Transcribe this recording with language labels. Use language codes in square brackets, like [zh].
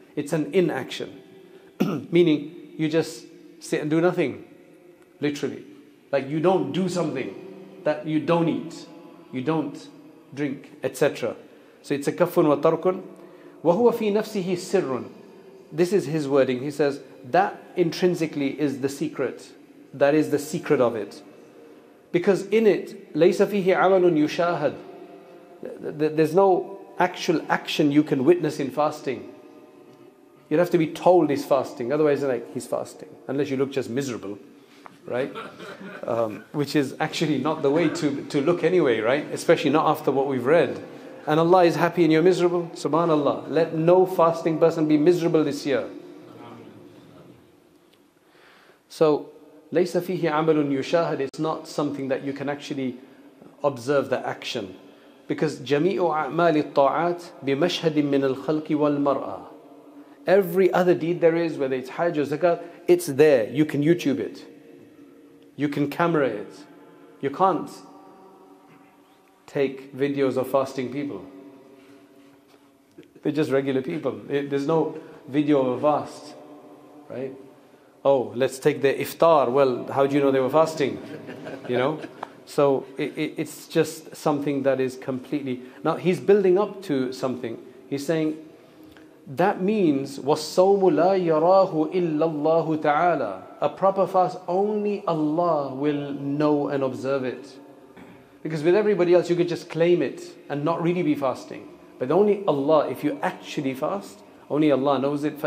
[en] It's an inaction. Meaning, you just sit and do nothing. Literally. Like, you don't do something that you don't eat, you don't drink, etc. So it's a kafun wa tarkun. [ar] وَهُوَ فِي نَفْسِهِ سِرٌّ. [en] This is his wording. He says, that intrinsically is the secret. That is the secret of it. Because in it, [ar] لَيْسَ فِيهِ عَمَلٌ يُشَاهَدْ. [en] There's no actual action you can witness in fasting. You'd have to be told he's fasting. Otherwise, you're like, he's fasting. Unless you look just miserable. Right? Which is actually not the way to look anyway, right? Especially not after what we've read. And Allah is happy and you're miserable. Subhanallah. Let no fasting person be miserable this year. So, [ar] لَيْسَ فِيهِ عَمَلٌ يُشَاهَدْ. [en] It's not something that you can actually observe the action. Because [ar] جَمِيعُ أَعْمَالِ الطَّاعَاتِ بِمَشْهَدٍ مِّنَ الْخَلْقِ وَالْمَرْأَى. [en] Every other deed there is, whether it's Hajj or Zakat, it's there. You can YouTube it. You can camera it. You can't take videos of fasting people. They're just regular people. There's no video of a fast, right? Oh, let's take the iftar. Well, how do you know they were fasting? You know? So it's just something that is completely... Now, he's building up to something. He's saying, that means, [ar] وَالصَّوْمُ لَا يَرَاهُ إِلَّا اللَّهُ تَعَالَى. [en] A proper fast, only Allah will know and observe it. Because with everybody else, you could just claim it and not really be fasting. But only Allah, if you actually fast, only Allah knows it.